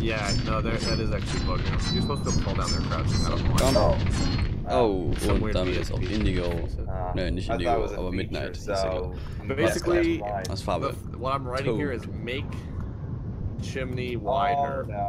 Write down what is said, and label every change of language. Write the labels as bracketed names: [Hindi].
[English] Ja, no, that is actually bugging. You're supposed to fall down there crouching. [German] Oh, und damit ist auch Indigo. Nein, nicht Indigo, aber Midnight. [English] Basically, [German] was Farbe? [English] What I'm writing here is make chimney wider.